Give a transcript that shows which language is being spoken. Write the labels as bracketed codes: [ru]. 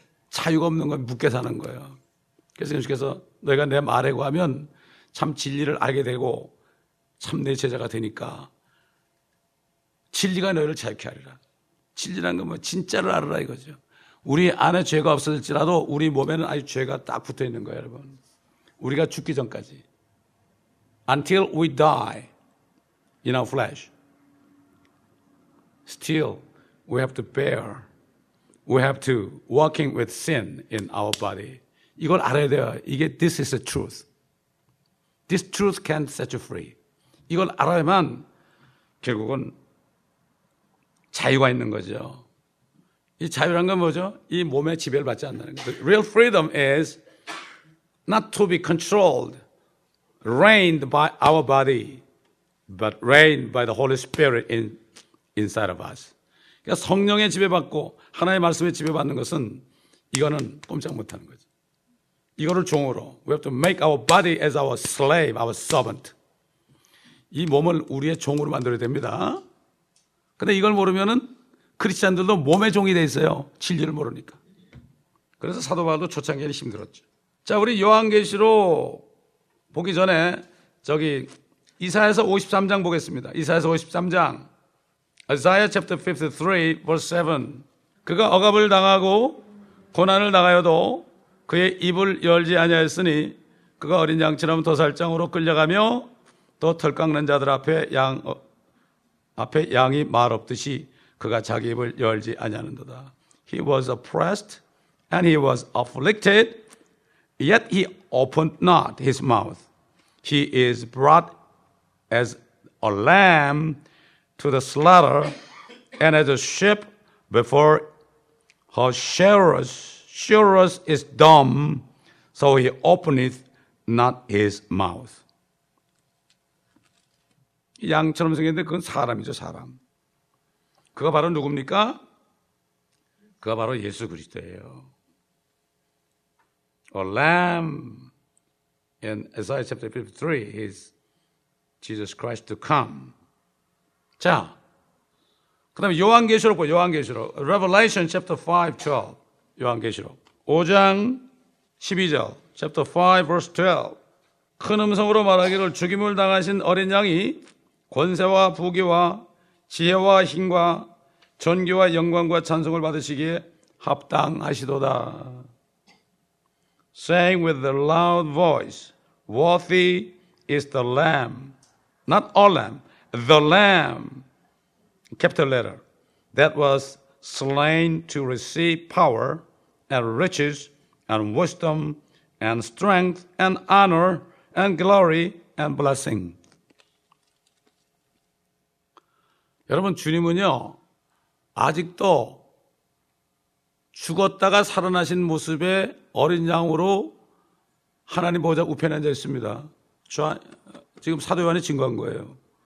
[ko] 자유가 없는 건 묶게 사는 거예요. 그래서 예수께서 너희가 내 말에 구하면 참 진리를 알게 되고 참 내 제자가 되니까 진리가 너희를 자유케 하리라. 진리란 건 뭐 진짜를 알아라 이거죠. 우리 안에 죄가 없어질지라도 우리 몸에는 아직 죄가 딱 붙어 있는 거예요, 여러분. 우리가 죽기 전까지. [en] Until we die in our flesh, still we have to bear, we have to walking with sin in our body. [ko] 이걸 알아야 돼요. 이게 [en] this is the truth. This truth can set you free. [ko] 이걸 알아야만 결국은 자유가 있는 거죠. 이 자유란 건 뭐죠? 이 몸의 지배를 받지 않는 거죠. [en] Real freedom is not to be controlled, reigned by our body, but reigned by the Holy Spirit inside of us. [ko] 그러니까 성령의 지배받고 하나님의 말씀의 지배받는 것은 이거는 꼼짝 못하는 거죠. 이거를 종으로. [en] We have to make our body as our slave, our servant. [ko] 이 몸을 우리의 종으로 만들어야 됩니다. 근데 이걸 모르면은 크리스찬들도 몸의 종이 돼 있어요. 진리를 모르니까. 그래서 사도 바울도 초창기에는 힘들었죠. 자, 우리 요한계시록 보기 전에 저기 이사야서 53장 보겠습니다. 이사야서 53장. [en] Isaiah chapter 53 verse 7. [ko] 그가 억압을 당하고 고난을 당하여도 그의 입을 열지 아니하였으니 그가 어린 양처럼 도살장으로 끌려가며 또 털 깎는 자들 앞에 앞에 양이 말 없듯이 그가 자기 입을 열지 아니하는도다. [en] He was oppressed and he was afflicted, yet he opened not his mouth. He is brought as a lamb to the slaughter, and as a sheep before her shearers is dumb, so he openeth not his mouth. [ko] 양처럼 생겼는데 그건 사람이죠, 사람. 그가 바로 누굽니까? 그가 바로 예수 그리스도예요. [en] A lamb in Isaiah chapter 53 is Jesus Christ to come. [ko] 자, 그 다음에 요한계시록 보세요, 요한계시록. [en] Revelation chapter 5, 12. [ko] 요한계시록. 5장 12절. [en] Chapter 5, verse 12. [ko] 큰 음성으로 말하기를 죽임을 당하신 어린 양이 권세와 부귀와 지혜와 힘과 전기와 영광과 찬송을 받으시기에 합당하시도다. [en] Saying with a loud voice, Worthy is the Lamb, not a lamb, the Lamb, capital letter, that was slain to receive power and riches and wisdom and strength and honor and glory and blessing. [ko] 여러분, 주님은요, 아직도 죽었다가 살아나신 모습의 어린 양으로 하나님 보좌 우편에 앉아 있습니다. 지금 사도 요한이 증거한 거예요.